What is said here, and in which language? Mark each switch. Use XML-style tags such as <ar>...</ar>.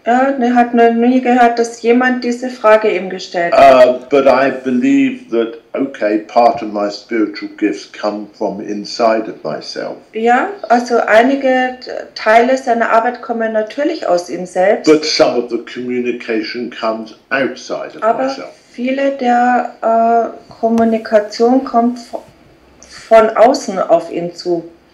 <de>Er hat noch nie gehört, dass jemand diese Frage ihm gestellt hat.</de> <en>But I believe that, okay, part of my spiritual gifts come from inside of myself.</en> <de>Ja, also einige Teile seiner Arbeit kommen natürlich aus ihm selbst.</de> <en>But some of the communication comes outside of myself.</en> <de>Viele der Kommunikation kommt von außen auf ihn zu.</de>